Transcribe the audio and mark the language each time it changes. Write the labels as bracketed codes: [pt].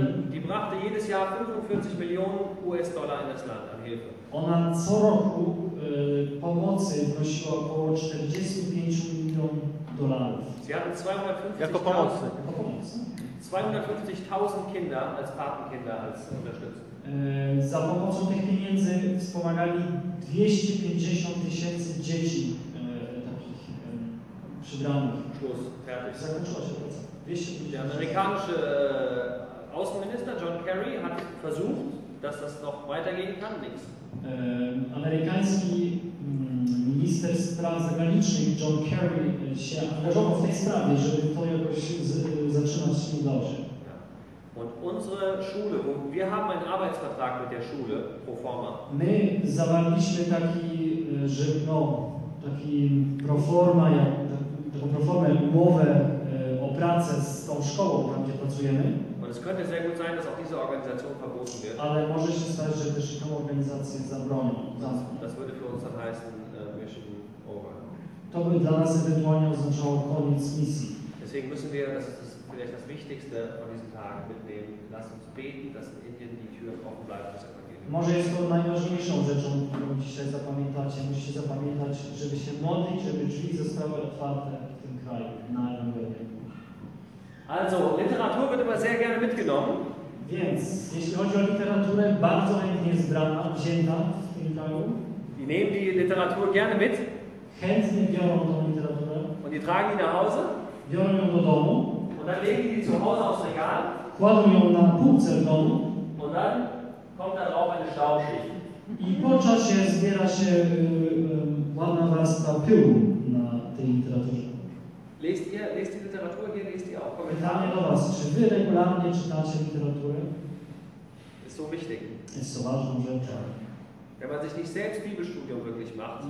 [de] Die brachte jedes Jahr 45 Millionen US-Dollar in das Land an Hilfe. [pl] Ona co roku pomocy wnosiła około 45 milionów dolarów. [de] Sie hatten 250.000 [pl] jako pomocy. [de] 250.000 Kinder als Patenkinder als Unterstützung. [pl] Za pomocą tych pieniędzy wspomagali 250.000 dzieci takich przybranych. [de] Schluss, fertig. [pl] Zakończyło się to. [de] Der amerikanische Außenminister John Kerry hat versucht, dass das noch weitergehen kann, nichts. [pl] Amerykański minister spraw zagranicznych John Kerry się angażował w tej sprawie, żeby to jakoś zatrzymać się udało się. [de] Ja. Und unsere Schule, wir haben einen Arbeitsvertrag mit der Schule pro forma. [pl] My zawarliśmy taki, że no, taki pro forma, taką pro formę, umowę o pracę z tą szkołą, tam gdzie pracujemy. [de] Und es könnte sehr gut sein, dass auch diese Organisation verboten wird. [pl] Ale może się stać, że też tą organizację zabronią. [de] Das würde für uns dann heißen, [en] mission over. [pl] To by dla nas ewentualnie oznaczało koniec misji. [de] Deswegen müssen wir, das ist vielleicht das Wichtigste von diesen Tagen, mitnehmen, lasst uns beten, dass in Indien die Tür offen bleibt, das Evangelium. [pl] Może jest to najważniejszą rzeczą, którą dzisiaj zapamiętacie. Musicie zapamiętać, żeby się modlić, żeby drzwi zostały otwarte w tym kraju. kraju, na Ewangelię. [de] Also, Literatur wird immer sehr gerne mitgenommen. [pl] Więc, jeśli chodzi o literaturę, bardzo chętnie jest brana, wzięta w tym kraju. [de] Die nehmen die Literatur gerne mit. [pl] Chętnie biorą tą literaturę. [de] Und die tragen die nach Hause. [pl] Biorą ją do domu. [de] Und dann legen die zu Hause aufs Regal. [pl] Kładą ją na półce w domu. [de] Und dann kommt dann auch eine Staubschicht. [pl] I po czasie zbiera się ładna warstwa pyłu na tej literaturze. [de] Lest die Literatur hier, lest die auch. [pl] Pytanie do was, czy wy regularnie czytacie literaturę? [de] Ist so wichtig. Ist so [pl] ważną rzeczą. [de] Wenn man sich nicht selbst Bibelstudium wirklich macht.